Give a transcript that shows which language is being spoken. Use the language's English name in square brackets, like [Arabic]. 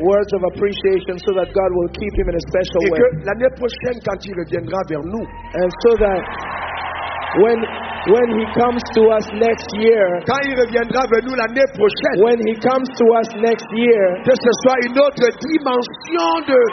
[English] Words of appreciation so that God will keep him in a special way. [French] Et que l'année prochaine quand il reviendra vers nous. [English] And so that when he comes to us next year. [French] Quand il reviendra vers nous l'année prochaine. [English] When he comes to us next year. [French] Que ce soit une autre dimension de